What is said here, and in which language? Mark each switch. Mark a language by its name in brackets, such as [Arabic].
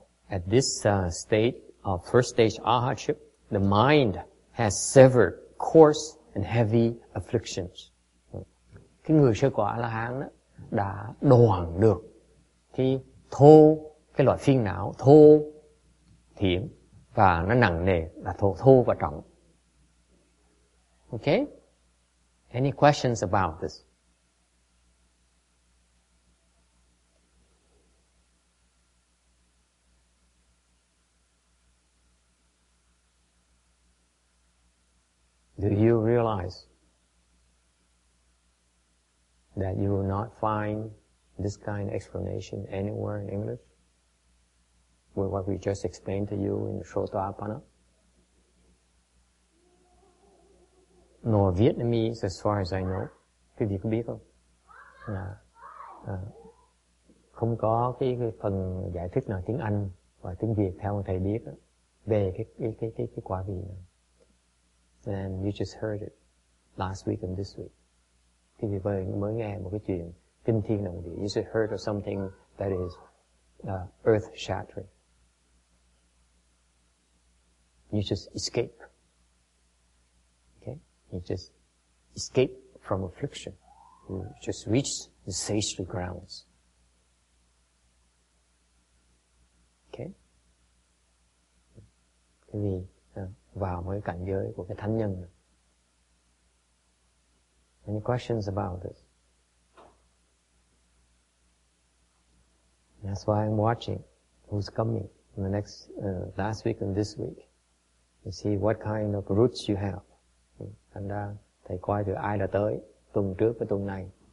[English] At this first stage Arhatship, the mind has severed coarse and heavy afflictions. [Vietnamese] Cái người sơ quả A-la-hán đó đã đoạn được cái thô, cái loại phiền não thô thiển và nó nặng nề là thô và trọng. [English] Okay. Any questions about this? Do you realize that you will not find this kind of explanation anywhere in English with what we just explained to you in Sotapanna? Nor Vietnamese, as far as I know. [Vietnamese] Quý vị có biết không? Không có cái phần giải thích nào tiếng Anh và tiếng Việt theo thầy biết đó, về cái quả vị này. [English] And you just heard it last week and this week. [Vietnamese] Quý vị mới nghe một cái chuyện kinh thiên động địa. [English] You just heard of something that is earth-shattering. you just escape. Okay? You just escape from affliction. You just reach the sacred grounds. Okay? [Vietnamese] Cái gì? Vào mấy cảnh giới của cái thánh nhân. [English] Any questions about this? That's why I'm watching who's coming in the next, last week and this week. To see what kind of roots you have. [Vietnamese] Thành ra, thầy coi thử ai đã tới tuần trước với tuần này.